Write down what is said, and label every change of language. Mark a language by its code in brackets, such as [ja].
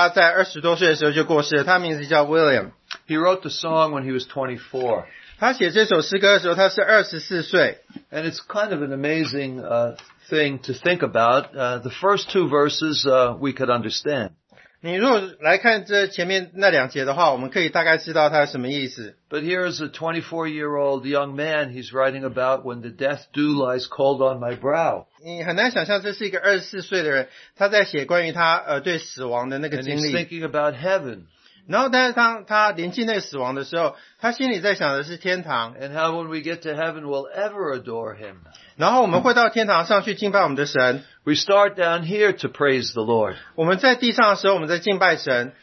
[zh] 然后写这首诗歌的那个人，他在20多岁的时候就过世了，他名字叫William. [en] He wrote the song when he was 24. [zh] 他写这首诗歌的时候，他是24岁. [en] And it's kind of an amazing thing to think about. The first two verses we could understand. [zh] 你如果来看这前面那两节的话，我们可以大概知道他什么意思。 [en] But here is a 24-year-old young man he's writing about when the death dew lies cold on my brow. [zh] 你很难想象这是一个24岁的人，他在写关于他对死亡的那个经历。 [en] And he's thinking about heaven. [zh] 然后，但是当他临近那个死亡的时候，他心里在想的是天堂。 [en] And how when we get to heaven, we'll ever adore him. [zh] 然后我们会到天堂上去敬拜我们的神。 [en] We start down here to praise the Lord. [zh] 我们在地上的时候，我们在敬拜神。